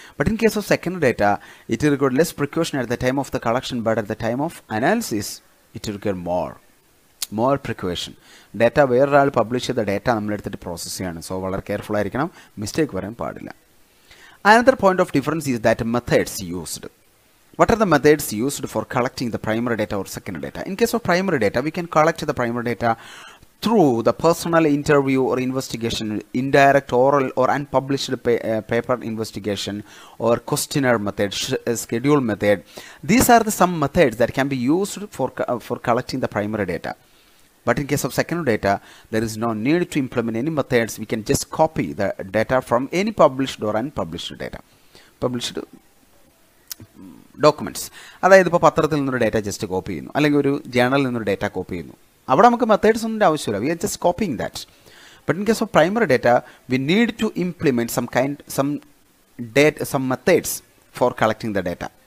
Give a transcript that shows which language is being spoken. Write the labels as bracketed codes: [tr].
[en] But in case of second data it require less precaution at the time of the collection, but at the time of analysis it require more precaution. [ml] Data വേറൊരാൾ publish ചെയ്ത data നമ്മളെടുത്തിട്ട് process ചെയ്യാണ്. So വളരെ careful ആയിരിക്കണം, mistake വരാൻ പാടില്ല. [en] Another point of difference is that methods used. What are the methods used for collecting the primary data or secondary data? In case of primary data, we can collect the primary data through the personal interview or investigation, indirect oral or unpublished paper investigation, or questionnaire method, schedule method. These are the some methods that can be used for collecting the primary data. But in case of secondary data, there is no need to implement any methods. We can just copy the data from any published or unpublished data. [ml] Published documents, അതായത് ഇപ്പോൾ പത്രത്തിൽ നിന്നൊരു data just copy ചെയ്യുന്നു, അല്ലെങ്കിൽ ഒരു ജേണലിൽ നിന്നൊരു data copy ചെയ്യുന്നു, അവിടെ നമുക്ക് മെത്തേഡ്സ് ഒന്നും ആവശ്യമില്ല, [en] We are just copying that. But in case of primary data we need to implement some kind some data some methods for collecting the data.